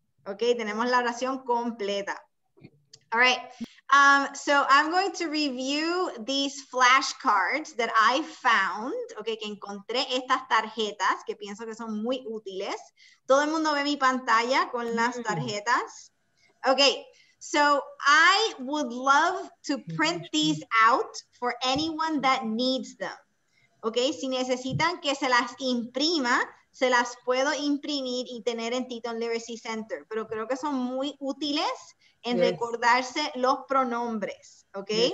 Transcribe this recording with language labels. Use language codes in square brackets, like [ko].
[en] Okay, [es] tenemos la oración completa. [en] All right, so I'm going to review these flashcards that I found, okay, [es] que encontré estas tarjetas que pienso que son muy útiles. ¿Todo el mundo ve mi pantalla con las tarjetas? [en] Okay, so I would love to print these out for anyone that needs them. [es] Okay, si necesitan que se las imprima, se las puedo imprimir y tener en Teton Literacy Center, pero creo que son muy útiles en recordarse los pronombres, ¿ok?